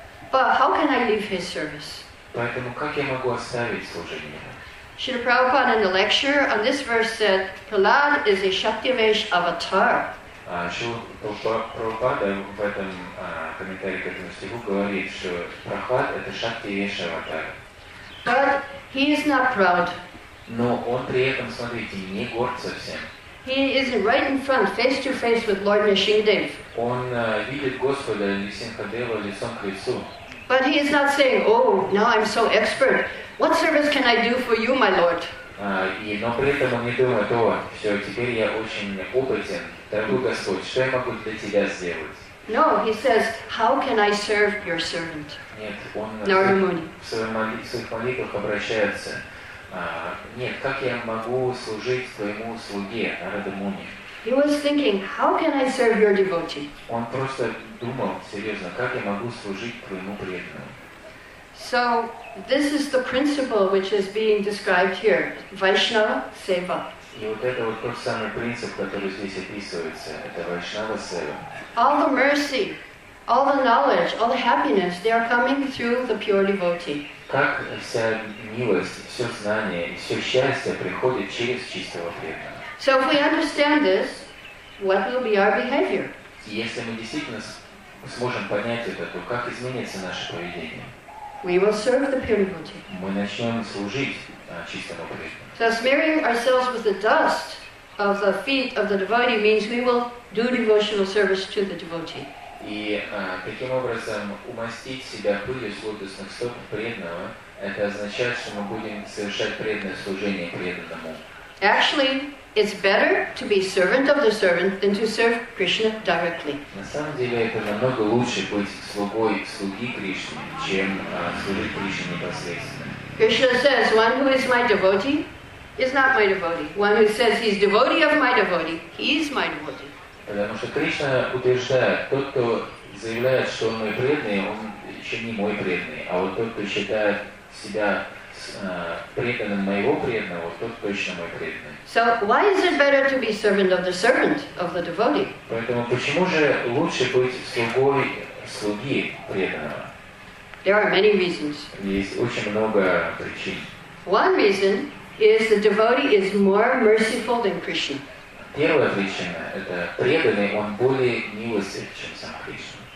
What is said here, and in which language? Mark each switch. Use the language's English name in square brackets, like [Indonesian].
[English] But how can I leave his service? Srila Prabhupada in the lecture on this verse said, Prahlad is a Shaktivesh avatar. [Russian] Прабхупада в этом комментарии к этому стиху говорит, что Прохлад это шакти веша аватара. [English] But he is not proud. [Russian] Но он при этом, смотрите, не горд совсем. [English] He is right in front, face to face with Lord Nrisimhadev. [Russian] Он видит Господа Нрисимхадева лицом к лицу. [English] But he is not saying, oh, now I'm so expert. What service can I do for you, my Lord? [Russian] Но при этом он не думает, о, все, теперь я очень опытен. Дорогой Господь, что я могу для тебя сделать? [English] No, he says, how can I serve your servant? [Russian] Нет, он в своих молитвах обращается. Нет, как я могу служить твоему слуге, Нарада Муни? [English] He was thinking, how can I serve your devotee? [Russian] Он просто думал, серьезно, как я могу служить твоему преданному? [English] So, this is the principle which is being described here, Vaishnava Seva. [Russian] И вот это вот тот самый принцип, который здесь описывается, это Vaishnava Seva. [English] All the mercy, all the knowledge, all the happiness, they are coming through the pure devotee. [Russian] Как вся милость, все знание, все счастье приходит через чистого преданного. [English] So if we understand this, what will be our behavior? [Russian] Если мы действительно сможем понять это, то как изменится наше поведение? [English] We will serve the pure devotee. [Russian] Мы начнем служить чистому преданному. [English] So smearing ourselves with the dust of the feet of the devotee means we will do devotional service to the devotee. [Russian] И таким образом умастить себя пылью с лотосных стоп преданного, это означает, что мы будем совершать преданное служение преданному. [English] Actually, it's better to be servant of the servant than to serve Krishna directly. [Russian] На самом деле, это намного лучше быть слугой слуги Кришны, чем служить Кришне непосредственно. [English] Krishna says, one who is my devotee is not my devotee. One who says he's devotee of my devotee, he is my devotee. [Russian] Потому что Кришна утверждает, тот, кто заявляет, что он мой преданный, он еще не мой преданный. А вот тот, кто считает себя преданным моего преданного, тот точно мой преданный. [English] So why is it better to be servant of the servant, of the devotee? [Russian] Поэтому почему же лучше быть слугой слуги преданного? [English] There are many reasons. [Russian] Есть очень много причин. [English] One reason is the devotee is more merciful than Krishna. [Russian] Первая причина – это преданный, он более милостив, чем сам Кришна.